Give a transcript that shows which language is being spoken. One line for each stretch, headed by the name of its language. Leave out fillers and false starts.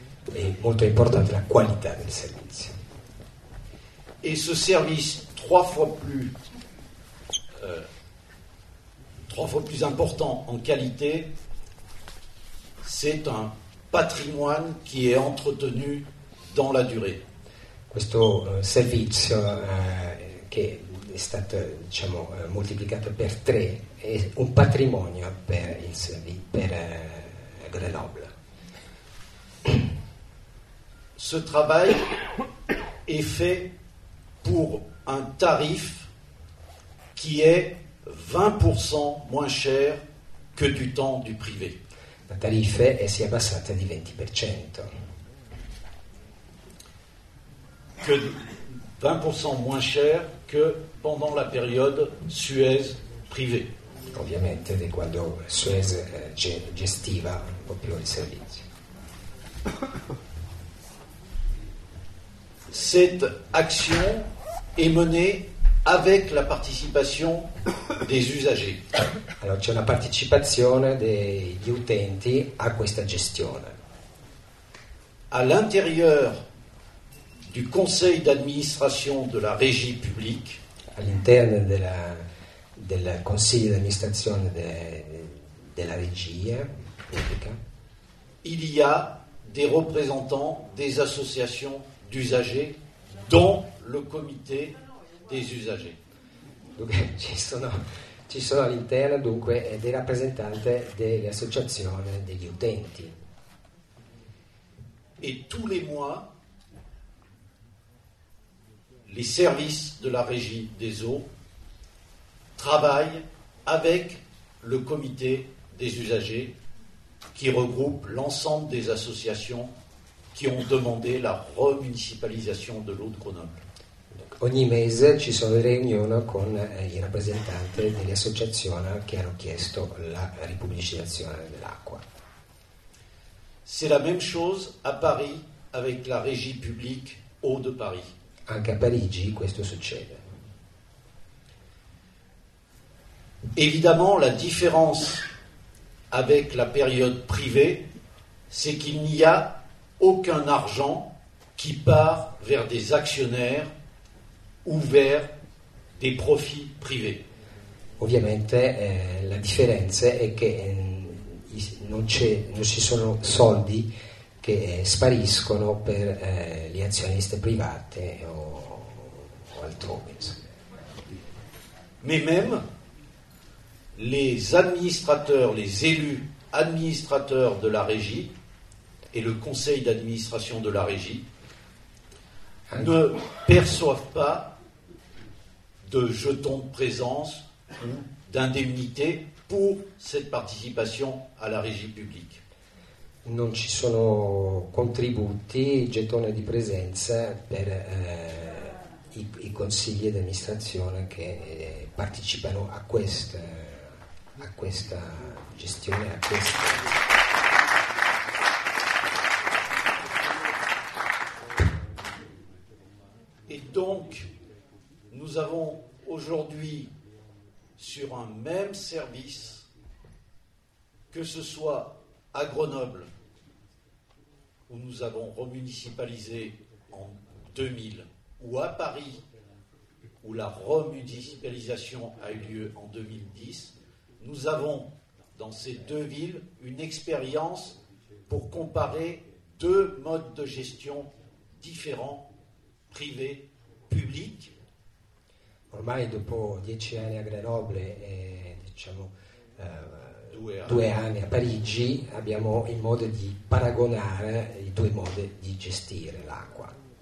Italian: È molto importante la qualità del servizio.
French: Et ce service trois fois plus trois fois plus important en qualité, c'est un patrimoine qui est entretenu dans la durée.
Italian: Questo servizio che è stato, diciamo, moltiplicato per tre è un patrimonio per il servizio, per Grenoble.
French: Ce travail est fait pour un tarif qui est 20% moins cher que du temps du privé.
Italian: La tarifa è si abbassata di 20%.
French: Que 20% moins cher que pendant la période Suez, privé.
Italian: Ovviamente, di quando Suez gestiva un po' più il servizio.
French: Cette action est menée avec la participation des usagers.
Italian: Alors, c'è una partecipazione degli utenti a questa gestione.
French: À l'intérieur du conseil d'administration de la régie publique,
Italian: all'interno della del consiglio d'amministrazione della regia pubblica,
French: il y a des représentants des associations d'usagers dont le comité des usagers.
Italian: Dunque, ci sono all'interno dunque dei rappresentanti delle associazioni degli utenti.
French: Et tous les mois, les services de la régie des eaux travaillent avec le comité des usagers qui regroupe l'ensemble des associations qui ont demandé la remunicipalisation de l'eau de Grenoble.
Italian: Donc, ogni mese ci sono le riunioni con i rappresentanti delle associazioni che hanno chiesto la ripubblicizzazione dell'acqua.
French: C'est la même chose à Paris avec la régie publique Eau de Paris.
Italian: Anche a Parigi questo succede.
French: Évidemment, la différence avec la période privée, c'est qu'il n'y a aucun argent qui part vers des actionnaires ou vers des profits privés.
Italian: Ovviamente, la differenza è che non ci sono soldi che spariscono per gli azionisti privati o altrove.
French: Mais même les administrateurs, les élus administrateurs de la régie et le conseil d'administration de la régie ne perçoivent pas de jetons de présence ou d'indemnité pour cette participation à la régie publique.
Italian: Non ci sono contributi, gettoni di presenza per i consigli d'amministrazione che partecipano a questa gestione, a questa.
French: Et donc nous avons aujourd'hui sur un même service, que ce soit à Grenoble, où nous avons remunicipalisé en 2000, ou à Paris, où la remunicipalisation a eu lieu en 2010, nous avons dans ces deux villes une expérience pour comparer deux modes de gestion différents, privé, public.
Italian: Ormai dopo 10 anni a Grenoble e diciamo, 2 anni a Parigi abbiamo il modo di paragonare i due modi di gestire l'acqua.